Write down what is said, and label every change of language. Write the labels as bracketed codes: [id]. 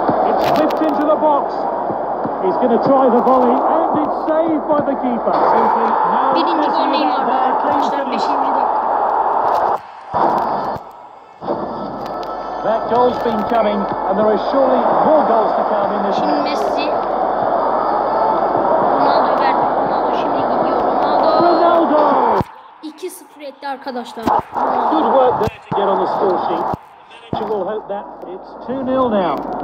[en] It's slipped into the box. He's going to try the volley and it's saved by the keeper. [tr] Birinci gol Neymar'da arkadaşlar, 5. dakika. [en] That goal's been coming and there are surely more goals to come in this. [tr] Şimdi Messi. Ronaldo verdi. Ronaldo şimdi gidiyor. Ronaldo. Ronaldo. 2-0 etti arkadaşlar. [en] Good work there to get on the score sheet. Manager will hope that it's 2-0 now.